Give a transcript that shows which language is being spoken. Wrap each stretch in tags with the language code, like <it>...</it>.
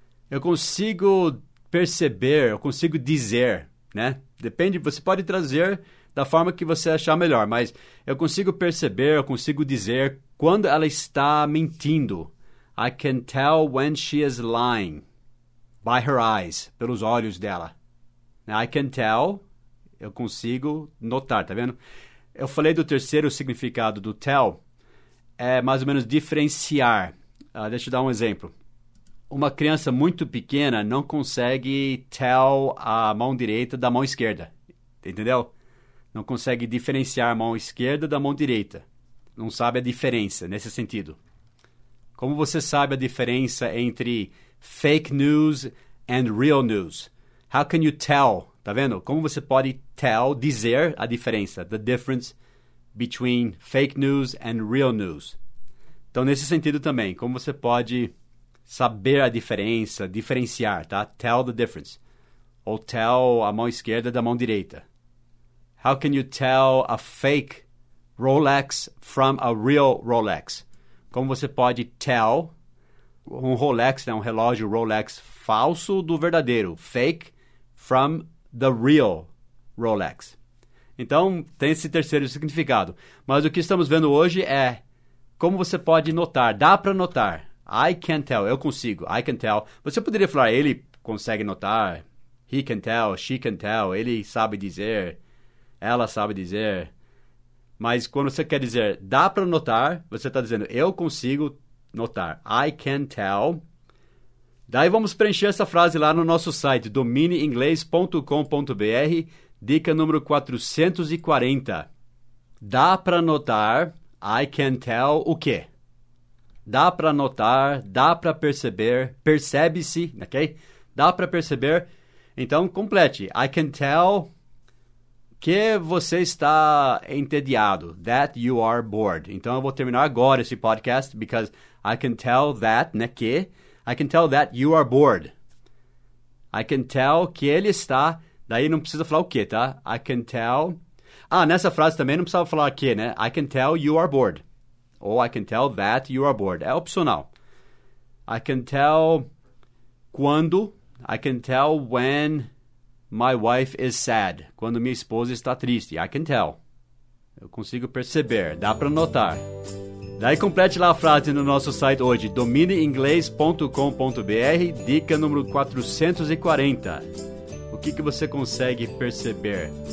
<pt>Eu consigo perceber, eu consigo dizer, né? Depende, você pode trazer da forma que você achar melhor, mas eu consigo perceber, eu consigo dizer quando ela está mentindo.</pt> <en>I can tell when she is lying by her eyes,</en> <pt>pelos olhos dela.</pt> <en>I can tell,</en> <pt>eu consigo notar, tá vendo? Eu falei do terceiro significado do tell, é mais ou menos diferenciar. Deixa eu dar um exemplo. Uma criança muito pequena não consegue tell a mão direita da mão esquerda, entendeu? Não consegue diferenciar a mão esquerda da mão direita. Não sabe a diferença nesse sentido. Como você sabe a diferença entre</pt> <en>fake news and real news? How can you tell?</en> <pt>Tá vendo? Como você pode tell, dizer a diferença?</pt> <en>The difference between fake news and real news.</en> <pt>Então, nesse sentido também, como você pode saber a diferença, diferenciar, tá?</pt> <en>Tell the difference.</en> <pt>Ou tell a mão esquerda da mão direita.</pt> <en>How can you tell a fake Rolex from a real Rolex?</en> <pt>Como você pode tell um Rolex, né, um relógio Rolex falso do verdadeiro,</pt> <en>fake from the real Rolex.</en> <pt>Então, tem esse terceiro significado. Mas o que estamos vendo hoje é como você pode notar, dá para notar.</pt> <en>I can tell,</en> <pt>eu consigo,</pt> <en>I can tell.</en> <pt>Você poderia falar, ele consegue notar,</pt> <en>he can tell, she can tell,</en> <pt>ele sabe dizer, ela sabe dizer. Mas quando você quer dizer, dá para notar, você está dizendo, eu consigo notar.</pt> <en>I can tell</en> <pt>Daí vamos preencher essa frase lá no nosso site, domineinglês.com.br, dica número 440. Dá para notar,</pt> <en>I can tell,</en> <pt>o quê? Dá para notar, dá para perceber, percebe-se, ok? Dá para perceber. Então, complete.</pt> <en>I can tell</en> <pt>que você está entediado.</pt> <en>That you are bored.</en> <pt>Então, eu vou terminar agora esse podcast,</pt> <en>because I can tell that,</en> <pt>né, que...</pt> <en>I can tell that you are bored. I can tell</en> <pt>que ele está... Daí não precisa falar o quê, tá?</pt> <en>I can tell...</en> <pt>Ah, nessa frase também não precisava falar o quê, né?</pt> <en>I can tell you are bored. Ou I can tell that you are bored.</en> <pt>É opcional.</pt> <en>I can tell quando... I can tell when my wife is sad.</en> <pt>Quando minha esposa está triste.</pt> <en>I can tell.</en> <pt>Eu consigo perceber. Dá para notar. Daí complete lá a frase no nosso site hoje, domineinglês.com.br, dica número 440. O que, que você consegue perceber?</pt>